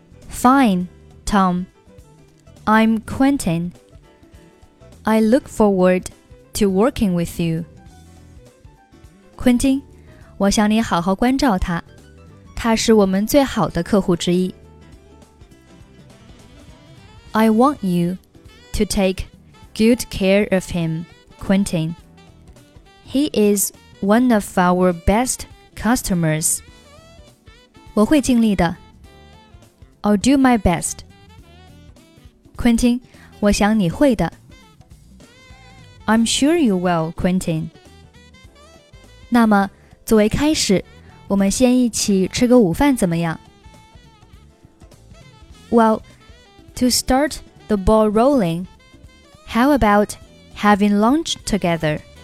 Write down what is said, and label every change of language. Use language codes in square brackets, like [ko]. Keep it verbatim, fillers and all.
[en] Fine, Tom. I'm Quentin. I look forward to working with you. [zh] 昆汀，我想你好好关照他。他是我们最好的客户之一。 [en] I want you to take good care of him, Quentin. He is one of our best customers. [zh] 我会尽力的。 [en] I'll do my best. [zh] 昆汀，我想你会的。 [en] I'm sure you will, Quentin. [zh] 那么，作为开始我们先一起吃个午饭怎么样 [en] Well, to start the ball rolling, how about having lunch together?